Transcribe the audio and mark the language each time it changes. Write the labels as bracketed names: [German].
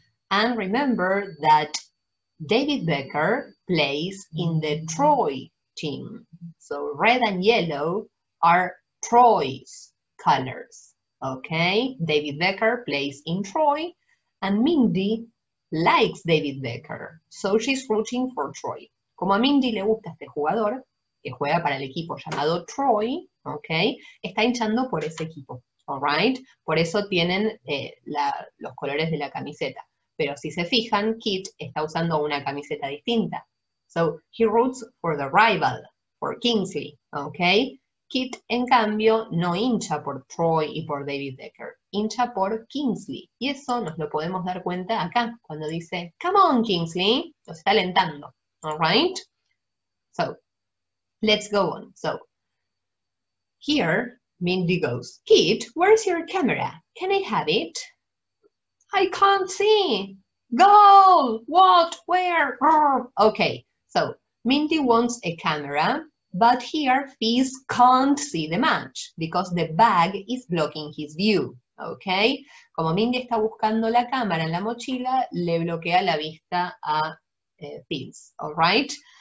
[English] And remember that David Becker plays in the Troy team. So red and yellow are Troy's colors, okay? David Becker plays in Troy and Mindy likes David Becker. So she's rooting for Troy. [Spanish] Como a Mindy le gusta este jugador, que juega para el equipo llamado Troy, okay, está hinchando por ese equipo, [English] all right? [Spanish] Por eso tienen los colores de la camiseta. Pero si se fijan, Kit está usando una camiseta distinta. [English] So, he roots for the rival, for Kingsley, okay? [Spanish] Kit, en cambio, no hincha por Troy y por David Becker. Hincha por Kingsley. Y eso nos lo podemos dar cuenta acá, cuando dice, [English] come on, Kingsley, [Spanish] los está alentando, all right? [English] So, let's go on. So, here, Mindy goes, Kit, where's your camera? Can I have it? I can't see. Goal! What? Where? Okay, so Mindy wants a camera, but here Fizz can't see the match because the bag is blocking his view, okay? [Spanish] Como Mindy está buscando la cámara en la mochila, le bloquea la vista a Fizz, [English] all right?